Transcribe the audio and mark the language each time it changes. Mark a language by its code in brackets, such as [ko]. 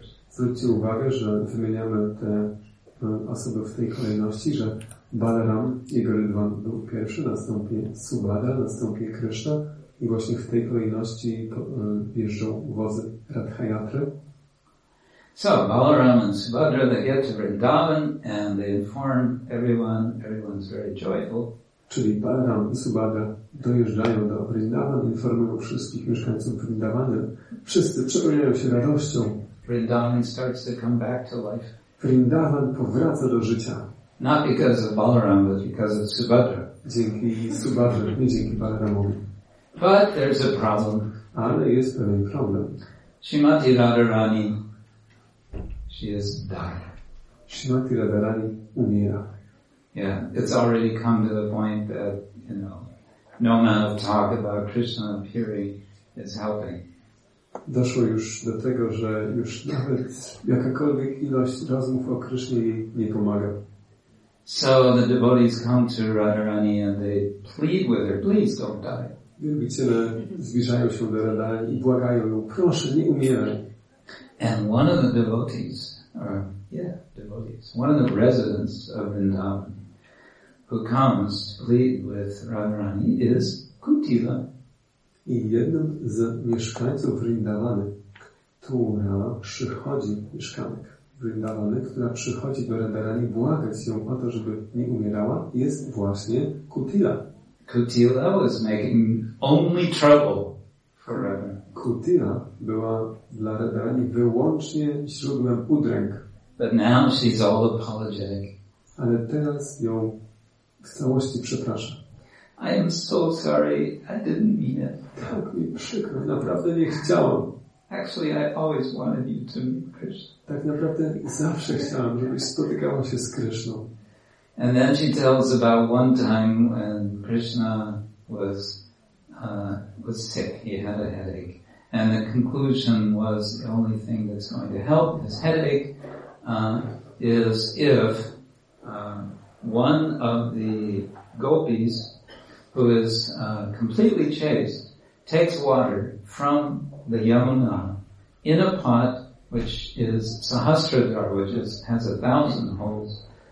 [pl] Zwróćcie uwagę, że wymieniamy te osoby w tej kolejności, że Balaram, jego rydwan był pierwszy, następnie Subhadra, następnie Krishna i właśnie w tej kolejności jeżdżą wozy Ratha Yatra. [en] So Balaram and Subhadra, they get to Vrindavan and they inform everyone. Everyone's very joyful. [pl] Czyli Balaram i Subhadra dojeżdżają do Vrindavan, informują wszystkich mieszkańców Vrindavany. Wszyscy przepełniają się radością. [en] Vrindavan starts to come back to life. [pl] Vrindavan powraca do życia. [en] Not because of Balaram, but because of Subhadra. [pl] Dzięki Subhadra, nie dzięki Balaramowi. [en] But there's a problem. [pl] Ale jest pewien problem. [en] Śrimati Radharani. She is dying. [pl] Śrimati Radharani umiera. [en] Yeah, it's already come to the point that, you know, no amount of talk about Krishna appearing is helping. [pl] Doszło już do tego, że już nawet jakakolwiek ilość rozmów o Krishnie nie pomaga. [en] So the devotees come to Radharani and they plead with her, please don't die. [pl] Wielbiciele zbliżają się do Radharani i błagają ją, proszę, nie umieraj. [en] And one of the devotees, or yeah, devotees, one of the residents of Vrindavan, who comes to plead with Radharani is Kuntila. [pl] I jednym z mieszkańców Vrindavany, która przychodzi, mieszkanek Vrindavany, która przychodzi do Radharani błagać ją o to, żeby nie umierała, jest właśnie Kuntila. [en] Kuntila was making only trouble for Radharani. [pl] Kutila była dla Radharani wyłącznie źródłem udręk. [en] But now she's all apologetic. [pl] Ale teraz ją w całości przeprasza. [en] I am so sorry, I didn't mean it. [pl] Tak mi przykro, naprawdę nie chciałam. [en] Actually, I always wanted you to meet Krishna. [pl] Tak naprawdę zawsze chciałam, żebyś spotykała się z Krishną. [en] And then she tells about one time when Krishna was was sick, he had a headache. And the conclusion was the only thing that's going to help his headache is if one of the gopis who is completely chaste takes water from the Yamuna in a pot which is Sahasrar, which is, has 1,000 holes.